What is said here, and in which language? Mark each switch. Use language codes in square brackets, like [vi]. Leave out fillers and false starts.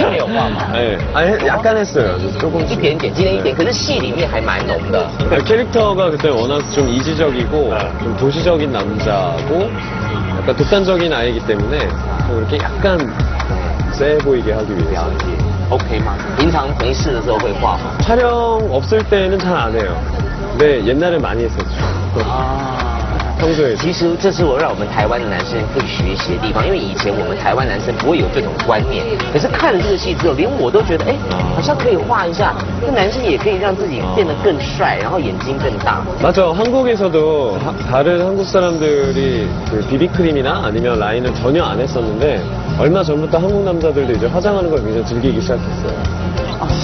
[zh] 太棒，留学前拍的这样，然后一路到现在哦，变成好帅哦，所有这个少女啊，其实可能很多男生也会非常的欣赏，因为他实在是太帅了。可是现在有时候拍戏要挂那个眼线，会不会很害羞？今天没有挂吗？哎， [ko] 약간 했어요. 조금 [zh] 一点点，今天一点， 可是戏里面还蛮浓的。 [ko] 캐릭터가 그때 워낙 좀 이지적이고 좀 도시적인 남자고 약간 독단적인 아이이기 때문에 좀 이렇게 약간 세보이게 하기 위해서. OK 마. [zh] 平常没事的时候会画吗? [ko] 촬영 없을 때는 잘 안 해요. 근데 옛날에 많이 했었죠. 아. [zh] 其实这是我让我们台湾的男生可以学习的地方，因为以前我们台湾男生不会有这种观念。可是看了这个戏之后，连我都觉得，哎，好像可以画一下。这男生也可以让自己变得更帅，然后眼睛更大。 [ko] 맞아, 한국에서도 다른 한국 사람들이 그 비비크림이나 아니면 라인을 전혀 안 했었는데 얼마 전부터 한국 남자들도 이제 화장하는 걸 굉장히 즐기기 시작했어요.